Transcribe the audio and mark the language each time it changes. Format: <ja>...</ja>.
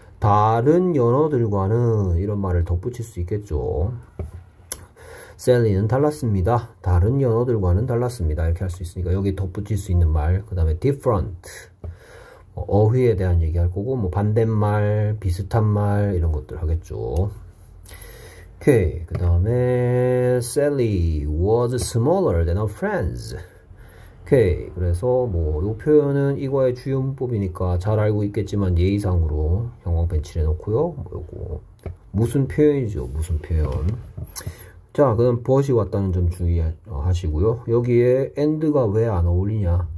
<ko>다른 연어들과는 이런 말을 덧붙일 수 있겠죠. 셀리는 달랐습니다. 다른 연어들과는 달랐습니다. 이렇게 할수 있으니까 여기 덧붙일 수 있는 말, 그다음에 different. 어휘에 대한 얘기할 거고, 뭐, 반대말, 비슷한 말, 이런 것들 하겠죠. 오케이. 그 다음에,</ko> <en>Sally was smaller than her friends.</en> <ko>오케이. 그래서, 뭐, 요 표현은 이과의 주요문법이니까 잘 알고 있겠지만 예의상으로 형광펜 칠해놓고요. 뭐, 요거. 무슨 표현이죠? 무슨 표현. 자, 그럼 but이 왔다는 점 주의하시고요. 여기에 and가 왜안 어울리냐?</ko>